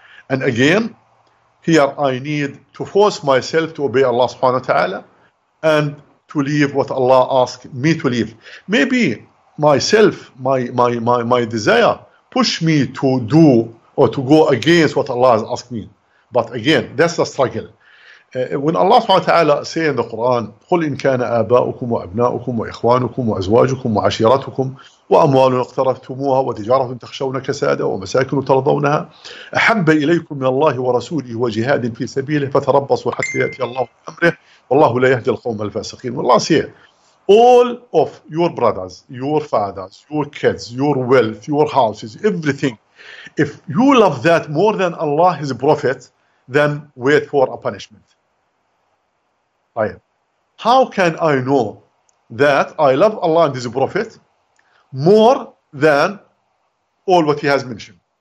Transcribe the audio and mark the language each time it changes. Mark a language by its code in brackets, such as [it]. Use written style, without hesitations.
[en] And again, here I need to force myself to obey Allah subhanahu wa ta'ala and to leave what Allah asks me to leave. Maybe myself, my desire push me to do or to go against what Allah has asked me. But again, that's the struggle. When Allah subhanahu wa ta'ala say in the Quran, [ar] قُلْ إِنْ كَانَ آبَاؤُكُمْ وَأَبْنَاؤُكُمْ وَإِخْوَانُكُمْ وَأَزْوَاجُكُمْ وَعَشِيرَتُكُمْ وَأَمْوَالٌ اقْتَرَفْتُمُوهَا وَتِجَارَةٌ تَخْشَوْنَ كَسَادَهَا وَمَسَاكِنُ تَرْضَوْنَهَا أَحَبَّ إِلَيْكُم مِّنَ اللَّهِ وَرَسُولِهِ وَجِهَادٍ فِي سَبِيلِهِ فَتَرَبَّصُوا حَتَّى يَأْتِيَ اللَّهُ بِأَمْرِهِ وَاللَّهُ لَا يَهْدِي الْقَوْمَ الْفَاسِقِينَ. والله سيئ. [en] All of your brothers, your fathers, your kids, your wealth, your houses, everything. If you love that more than Allah, His Prophet, then wait for a punishment. How can I know that I love Allah and His Prophet more than all what he has mentioned?